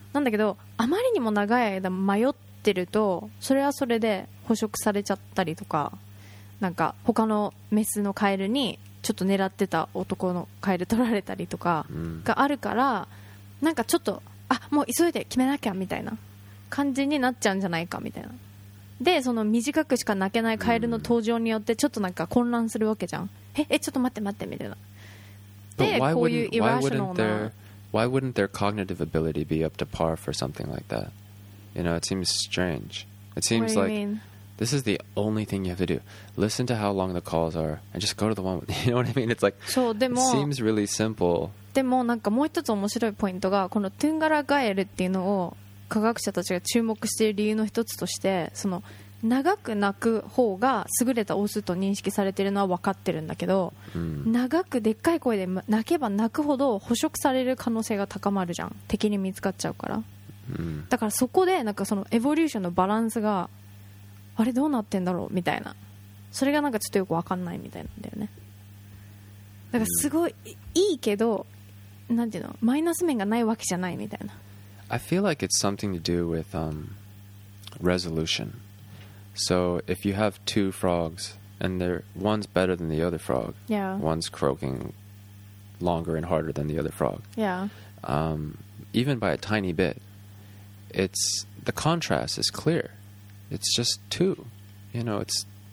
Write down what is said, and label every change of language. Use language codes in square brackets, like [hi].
[ja] なんだけどあまりにも長い間迷ってると、それはそれで捕食されちゃったりとか、なんか他のメスのカエルにちょっと狙ってた男のカエル取られたりとかがあるから、なんかちょっとあもう急いで決めなきゃみたいな感じになっちゃうんじゃないかみたいな。でその短くしか鳴けないカエルの登場によってちょっとなんか混乱するわけじゃん。ちょっと待って待ってみたいな。でこういうイラショナルな、 [en] why wouldn't their cognitive ability be up to par for something like that? You know, it seems strange. It seems what do you like mean? This is the only thing you have to do. Listen to how long the calls are and just go to the one. You know what I mean? It's like, [ja] そう、でも、 [en] it seems really simple. [ja] でもなんかもう一つ面白いポイントが、このトゥンガラガエルっていうのを科学者たちが注目している理由の一つとして、その長く鳴く方が優れたオスと認識されているのは分かってるんだけど、うん、長くでっかい声で鳴けば鳴くほど捕食される可能性が高まるじゃん。敵に見つかっちゃうから。うん、だからそこでなんかそのエボリューションのバランスがあれどうなってんだろうみたいな、それがなんかちょっとよく分かんないみたいなんだよね。だからすごい、いいけどなんていうの、マイナス面がないわけじゃないみたいな。 [en] I feel like it's something to do with resolution. So if you have two frogs and they're, one's better than the other frog, yeah. one's croaking longer and harder than the other frog, yeah. Even by a tiny bit, it's, the contrast is clearIt's just two, you know, it's,